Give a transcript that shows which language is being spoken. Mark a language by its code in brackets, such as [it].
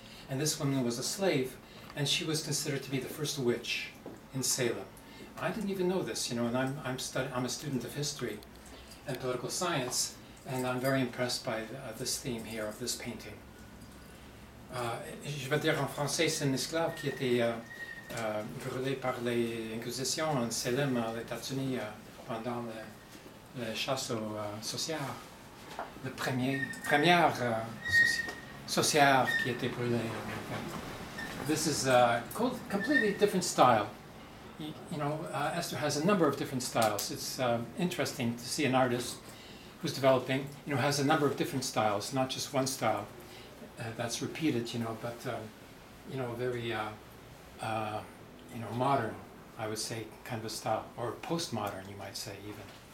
[en] And this woman was a slave, and she was considered to be the first witch in Salem. I didn't even know this, you know, and I'm a student of history and political science, and I'm very impressed by this theme here of this painting. [fr] Je veux dire en français, c'est un esclave qui était brûlé par les Inquisitions en Salem, aux États-Unis, pendant le chasse aux sorcières, le première sorcière qui était brûlée. [en] This is a completely different style. You know, Eszter has a number of different styles. It's interesting to see an artist who's developing, you know, has a number of different styles, not just one style that's repeated, you know, but, you know, very, you know, modern, I would say, kind of a style, or postmodern, you might say, even.